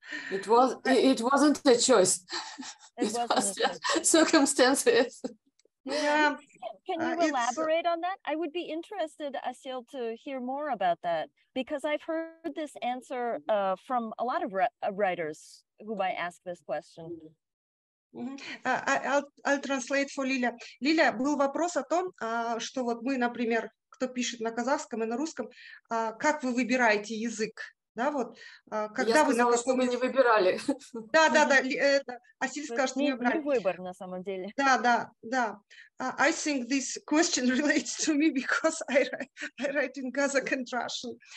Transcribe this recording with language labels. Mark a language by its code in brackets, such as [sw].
[en] It wasn't a choice. It was just circumstances. Yeah. Can you elaborate on that? I would be interested, Asel, to hear more about that, because I've heard this answer from a lot of writers who might ask this question. I'll translate for Lilya. [ru] Lilya, был вопрос о том, что вот мы, например, кто пишет на казахском и на русском, как вы выбираете язык? Да, вот. Когда я сказала, вы на каком... что мы не выбирали. Да, да, да. Асиль сказал, что не выбирали. Не выбор, на самом деле. Да, да, да. [en] I think this question relates to me because I write in Kazakh and Russian.